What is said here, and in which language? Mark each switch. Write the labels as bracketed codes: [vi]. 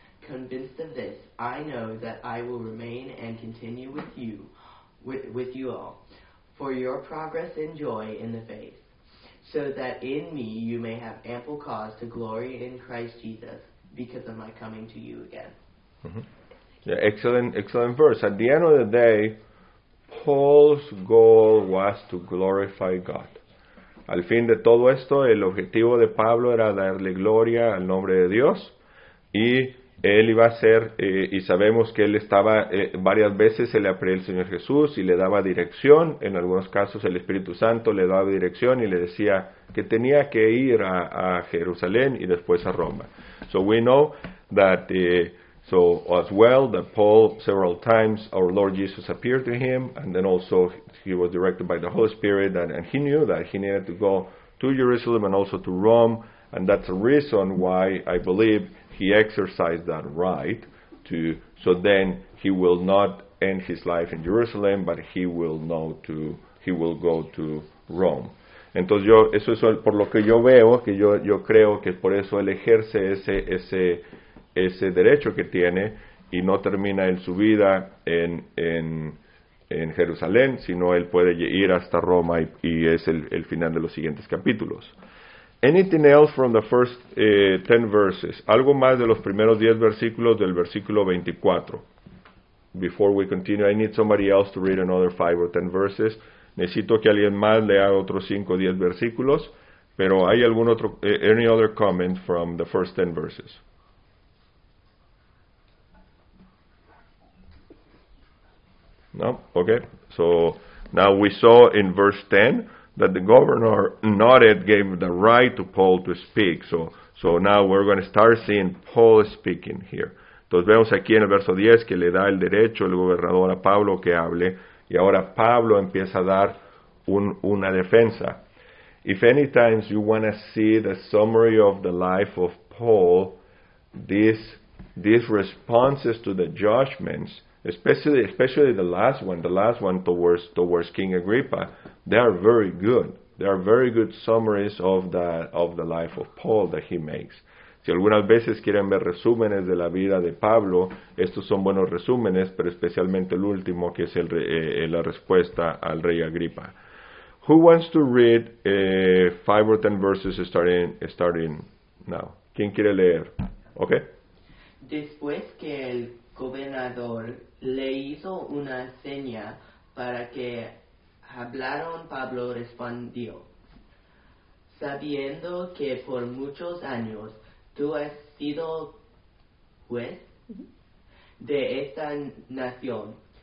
[en] Convinced of this, I know that I will remain and continue with you all, for your progress and joy in the faith, so that in me you may have ample cause to glory in Christ Jesus because of my coming to you again. Mm-hmm. Yeah, excellent verse. At the end of the day, Paul's goal was to glorify God. [es] Al fin de todo esto, el objetivo de Pablo era darle gloria al nombre de Dios. Y él iba a ser, y sabemos que él estaba, varias veces se le apareció el Señor Jesús y le daba dirección. En algunos casos el Espíritu Santo le daba dirección y le decía que tenía que ir a Jerusalén y después a Roma. [en] So we know that... So as well that Paul, several times our Lord Jesus appeared to him, and then also he was directed by the Holy Spirit, and he knew that he needed to go to to Jerusalem and also to Rome, and that's a reason why I believe he exercised that right to, so then he will not end his life in Jerusalem, but he will know to, he will go to Rome. [es] Entonces yo, eso es por lo que yo veo, que yo creo que por eso él ejerce ese derecho que tiene y no termina en su vida en Jerusalén, sino él puede ir hasta Roma y es el final de los siguientes capítulos. [en] Anything else from the first 10 verses? [es] Algo más de los primeros 10 versículos del versículo 24. [en] Before we continue, I need somebody else to read another 5 or 10 verses. [es] Necesito que alguien más lea otros 5 o 10 versículos. Pero hay algún otro, [en] any other comment from the first 10 verses? No? Okay. So now we saw in verse 10 that the governor nodded, gave the right to Paul to speak. So now we're going to start seeing Paul speaking here. [es] Entonces vemos aquí en el verso 10 que le da el derecho el gobernador a Pablo que hable. Y ahora Pablo empieza a dar una defensa. [en] If any times you want to see the summary of the life of Paul, these responses to the judgments, especially the last one towards King Agrippa, they are very good. They are very good summaries of the life of Paul that he makes. [es] Si algunas veces quieren ver resúmenes de la vida de Pablo, estos son buenos resúmenes, pero especialmente el último, que es la respuesta al rey Agripa. [en] Who wants to read 5 or 10 verses starting now? [es] ¿Quién quiere leer? Okay. Después que el gobernador le hizo una seña para que hablaron, Pablo respondió, sabiendo que por muchos años tú has sido juez de esta nación.